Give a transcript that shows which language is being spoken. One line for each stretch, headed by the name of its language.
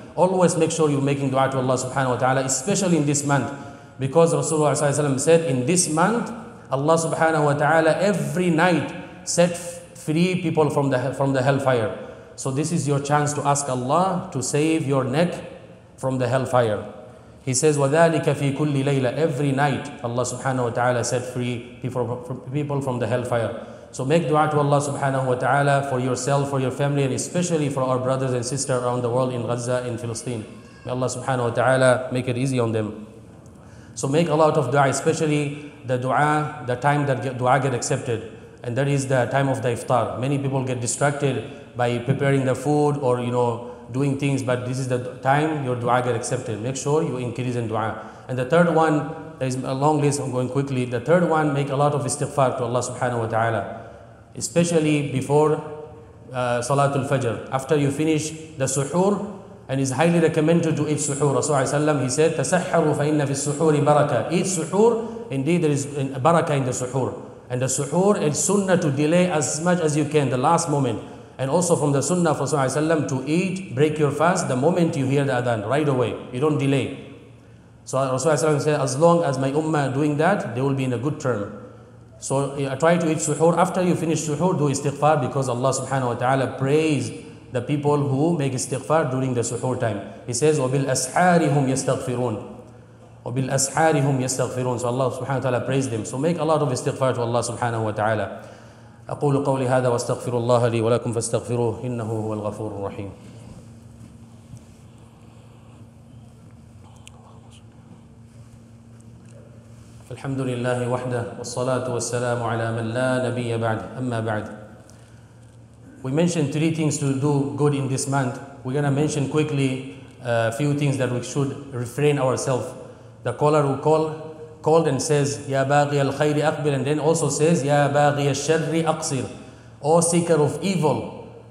English: Always make sure you're making dua to Allah subhanahu wa ta'ala, especially in this month. Because Rasulullah said, in this month, Allah subhanahu wa ta'ala every night set free people from the hellfire. So this is your chance to ask Allah to save your neck from the hellfire. He says,
Arabic: وَذَلِكَ فِي كُلِّ لَيْلَةٍ.
English: Every night, Allah subhanahu wa ta'ala set free people from the hellfire. So make dua to Allah subhanahu wa ta'ala for yourself, for your family, and especially for our brothers and sisters around the world in Gaza, in Palestine. May Allah subhanahu wa ta'ala make it easy on them. So make a lot of dua, especially the dua, the time that dua get accepted. And that is the time of the iftar. Many people get distracted by preparing the food or, you know, doing things, but this is the time your dua get accepted. Make sure you increase in dua. And the third one, there is a long list, I'm going quickly. The third one, make a lot of istighfar to Allah subhanahu wa ta'ala. Especially before Salatul Fajr. After you finish the suhoor, and it's highly recommended to eat suhoor. Rasulullah he said,
Arabic: تَسَحَّرُوا فَإِنَّ فِي السُّحُورِ بَرَكَةً.
English: Eat suhoor, indeed there is barakah in the suhoor. And the suhoor, it's sunnah to delay as much as you can, the last moment. And also from the Sunnah of Rasulullah to eat, break your fast the moment you hear the Adhan, right away. You don't delay. So Rasulullah said, as long as my Ummah are doing that, they will be in a good term. So try to eat suhoor. After you finish suhoor, do istighfar, because Allah subhanahu wa ta'ala praised the people who make istighfar during the suhoor time. He says,
Arabic: وَبِالْأَسْحَارِهُمْ يَسْتَغْفِرُونَ وَبِالْأَسْحَارِهُمْ يَسْتَغْفِرُونَ.
English: So Allah subhanahu wa ta'ala praised them. So make a lot of istighfar to Allah subhanahu wa ta'ala.
Arabic: أقول قولي هذا واستغفر الله لي ولكم فاستغفروه إنه هو الغفور الرحيم. الحمد لله وحده والصلاة والسلام على من لا نبي بعد. أما بعد,
English: we mentioned three things to do good in this month. We're gonna mention quickly a few things that we should refrain ourselves. The caller who called and says
Arabic: يا باغي الخير أقبل,
English: and then also says
Arabic: يا باغي الشر أقصر,
English: O seeker of evil.